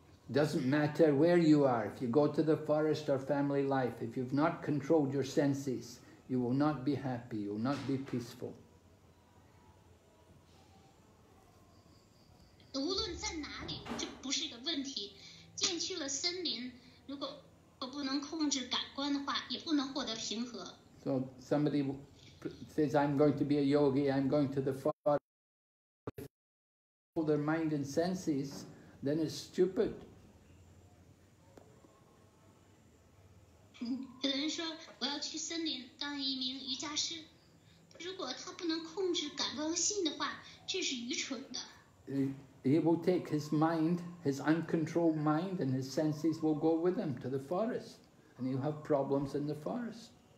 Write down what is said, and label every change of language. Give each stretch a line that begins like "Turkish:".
English: Doesn't matter where you are, if you go to the forest or family life, if you've not controlled your senses, you will not be happy, you will not be peaceful.
Chinese: 无论在哪里，这不是一个问题。进去了森林，如果不能控制感官的话，也不能获得平和。
English: So somebody says, "I'm going to be a yogi. I'm going to the forest." Control their mind and senses, then it's stupid.
Chinese: 有人说我要去森林当一名瑜伽师，如果他不能控制感官和心的话，这是愚蠢的。
English: He will take his mind, his uncontrolled mind and his senses will go with him to the forest. And he'll have problems in the forest.